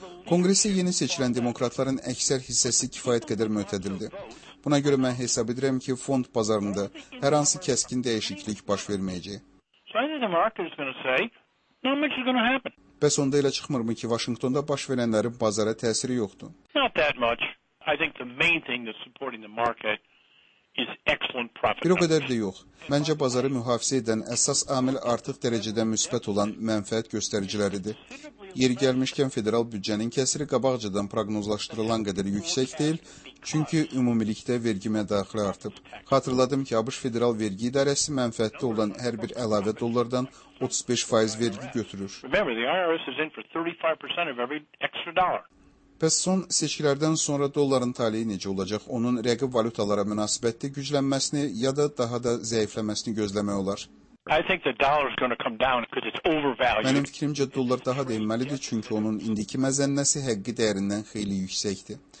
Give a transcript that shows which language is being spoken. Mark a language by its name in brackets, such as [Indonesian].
[Azerbaijani] Kongresi yeni seçilən demokratların əksər hissəsi kifayət qədər mötədildir. Buna görə mən hesab edirəm ki, fond bazarında hər hansı kəskin dəyişiklik baş verməyəcək. Bəs onda elə çıxmırmı ki, Vaşinqtonda baş verənlərin bazara təsiri yoxdur? [English] I think the main thing that's supporting the market is excellent profit. [Azerbaijani] Bir o qədər də yox. Məncə bazarı mühafizə edən əsas amil artıq dərəcədə müsbət olan mənfəət göstəriciləridir. Yeri gəlmişkən federal büdcənin kəsiri qabaqcadan proqnozlaşdırılan qədər yüksək deyil, çünki ümumilikdə vergi mədaxili artıb. Xatırladım ki, ABŞ Federal Vergi İdarəsi mənfəətdə olan hər bir əlavə dollardan 35% vergi götürür. [English] Remember, the IRS is in for 35% of every extra dollar. [Azerbaijani] Bəs son seçkilərdən sonra dolların taleyi necə olacaq? Onun rəqib valyutalara münasibətli güclənməsini ya da daha da zəifləməsini gözləmək olar. Mənim fikrimcə dollar daha da enməlidir, çünki onun indiki məzənnəsi həqiqi dəyərindən xeyli yüksəkdir.